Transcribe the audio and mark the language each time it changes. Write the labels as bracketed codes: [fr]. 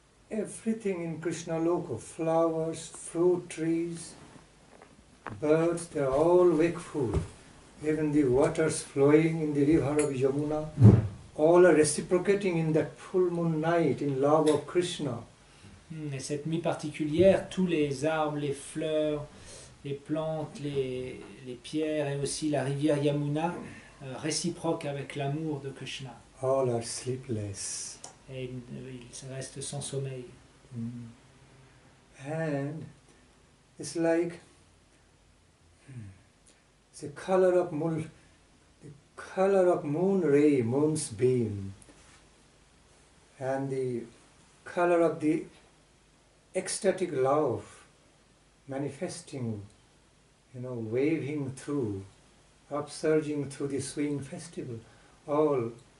[en] Everything in Krishna Loka, flowers, fruit trees, birds, they're all wakeful. Even the waters flowing in the river of Yamuna, all are reciprocating in that full moon night in love of Krishna. [fr] Et cette nuit particulière, tous les arbres, les fleurs, les plantes, les pierres et aussi la rivière Yamuna réciproquent avec l'amour de Krishna. [en] All are sleepless. [fr] Et ils restent sans sommeil. [en] And it's like the color of moon, the color of moon ray, moon's beam, and the color of the ecstatic love manifesting, you know, waving through, upsurging through the swing festival, all